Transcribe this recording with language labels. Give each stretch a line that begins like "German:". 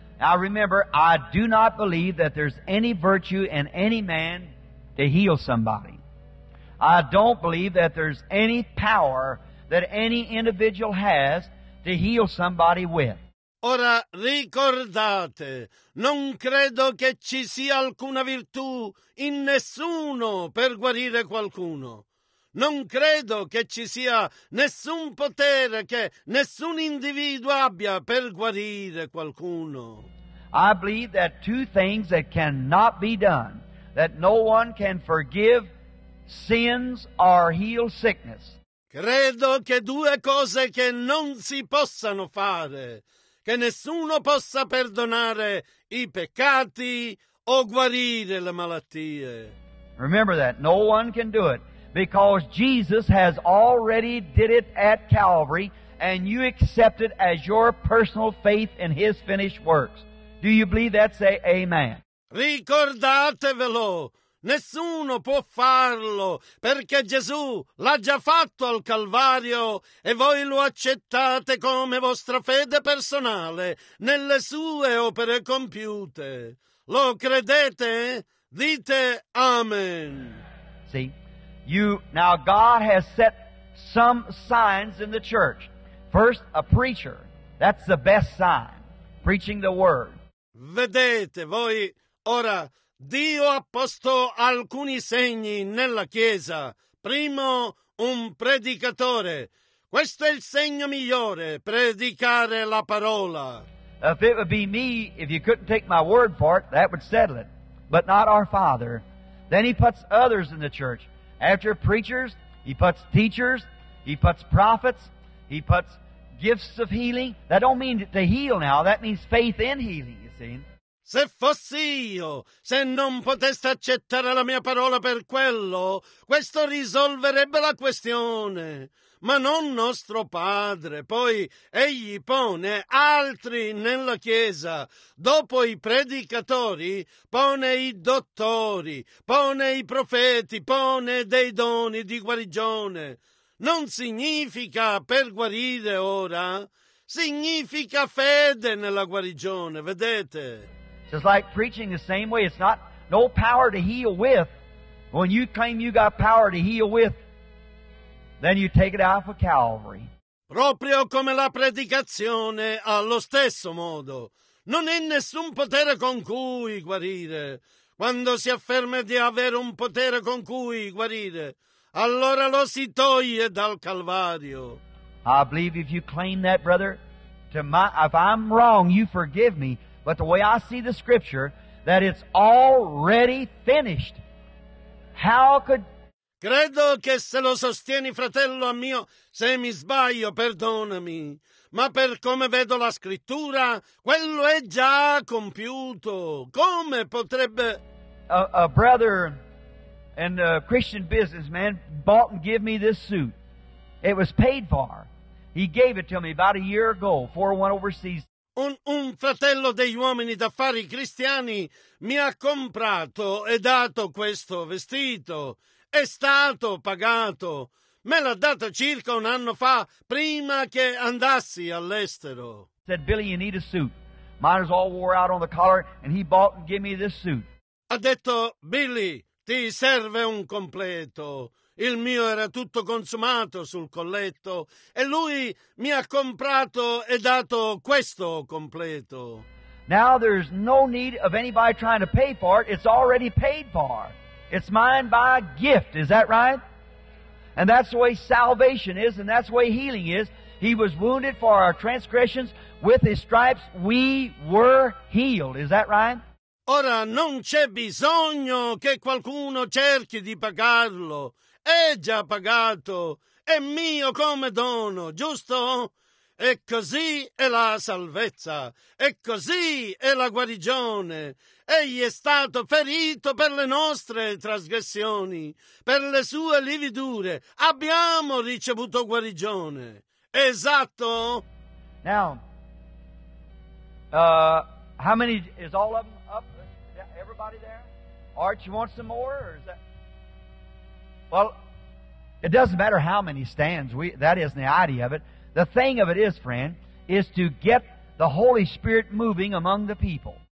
English: Now remember, I do not believe that there's any virtue in any man to heal somebody. I don't believe that there's any power that any individual has to heal somebody with.
Italian: Ora, ricordate, non credo che ci sia alcuna virtù in nessuno per guarire qualcuno. Non credo che ci sia nessun potere che nessun individuo abbia per guarire qualcuno.
English: I believe that two things that cannot be done, that no one can forgive sins or heal sickness.
Italian: Credo che due cose che non si possano fare... Che nessuno possa perdonare i peccati o guarire le malattie.
English: Remember that. No one can do it. Because Jesus has already did it at Calvary and you accept it as your personal faith in His finished works. Do you believe that? Say amen.
Italian: Ricordatevelo. Nessuno può farlo perché Gesù l'ha già fatto al Calvario e voi lo accettate come vostra fede personale nelle sue opere compiute. Lo credete? Dite amen.
English: See, you now God has set some signs in the church. First, a preacher. That's the best sign. Preaching the word.
Italian: Vedete voi ora. Dio ha posto alcuni segni nella Chiesa. Primo, un predicatore. Questo è il segno migliore, predicare la parola.
English: If it would be me, if you couldn't take my word for it, that would settle it. But not our Father. Then He puts others in the church. After preachers, He puts teachers, He puts prophets, He puts gifts of healing. That don't mean to heal now. That means faith in healing, you see.
Italian: Se fossi io, se non poteste accettare la mia parola per quello, questo risolverebbe la questione. Ma non nostro padre. Poi egli pone altri nella chiesa. Dopo i predicatori, pone i dottori, pone i profeti, pone dei doni di guarigione. Non significa per guarire ora, significa fede nella guarigione, vedete?
English: Just like preaching the same way, it's not no power to heal with. When you claim you got power to heal with, then you take it out for Calvary.
Italian: Proprio come la predicazione, allo stesso modo. Non è nessun potere con cui guarire. Quando si afferma di avere un potere con cui guarire, allora lo si toglie dal Calvario.
English: I believe if you claim that, brother, if I'm wrong, you forgive me. But the way I see the scripture, that it's already finished. How could...
Italian: Credo che se lo sostieni, fratello mio, se mi sbaglio, perdonami. Ma per come vedo la scrittura, quello è già compiuto. Come potrebbe...
English: A brother and a Christian businessman bought and gave me this suit. It was paid for. He gave it to me about a year ago, before I went overseas.
Italian: Un fratello degli uomini d'affari cristiani mi ha comprato e dato questo vestito. È stato pagato. Me l'ha dato circa un anno fa, prima che andassi all'estero.
English: Said, Billy, you need a suit. Mine is all wore out on the collar, and he bought and gave me this suit.
Italian: Ha detto, Billy, ti serve un completo. Il mio era tutto consumato sul colletto e lui mi ha comprato e dato questo completo.
English: Now there's no need of anybody trying to pay for it. It's already paid for. It's mine by gift. Is that right? And that's the way salvation is, and that's the way healing is. He was wounded for our transgressions. With his stripes we were healed. Is that right?
Italian: Ora non c'è bisogno che qualcuno cerchi di pagarlo. È già pagato, è mio come dono, giusto? E così è la salvezza, e così è la guarigione. Egli è stato ferito per le nostre trasgressioni, per le sue lividure. Abbiamo ricevuto guarigione. Esatto?
English: Now, how many is all of them up? Everybody there? Art, you want some more? Or is that... Well, it doesn't matter how many stands. That isn't the idea of it. The thing of it is, friend, is to get the Holy Spirit moving among the people.